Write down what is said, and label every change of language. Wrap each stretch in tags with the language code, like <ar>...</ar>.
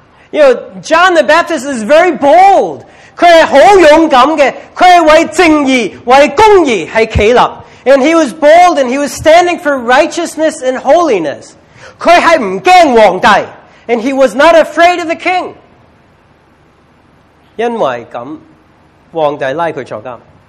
<en>You know, John the Baptist is very bold.</en> <zh>他是很勇敢的，他是为正义、为公义是企立。</zh> <en>And he was bold and he was standing for righteousness and holiness.</en> <zh>他是不怕皇帝。</zh> <en>And he was not afraid of the king.</en> <zh>因为这样，皇帝拉他坐牢。</zh>